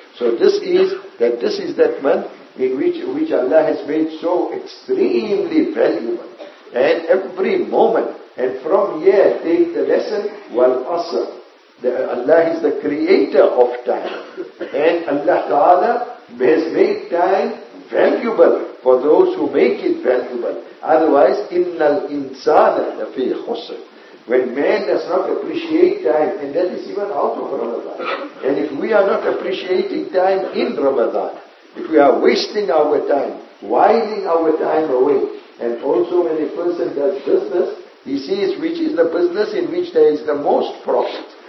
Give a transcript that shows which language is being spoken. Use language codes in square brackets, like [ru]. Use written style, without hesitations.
[en] So this is that month in which Allah has made so extremely valuable. And every moment, and from here, take the lesson, [ar] wal asr. [en] Allah is the creator of time. And Allah Ta'ala has made time valuable for those who make it valuable. Otherwise, [ar] إِنَّ الْإِنسَانَ لَفِي خُسْرٍ. [en] When man does not appreciate time, and that is even out of Ramadan. And if we are not appreciating time in Ramadan, if we are wasting our time, whiling our time away, and also when a person does business, he sees which is the business in which there is the most profit.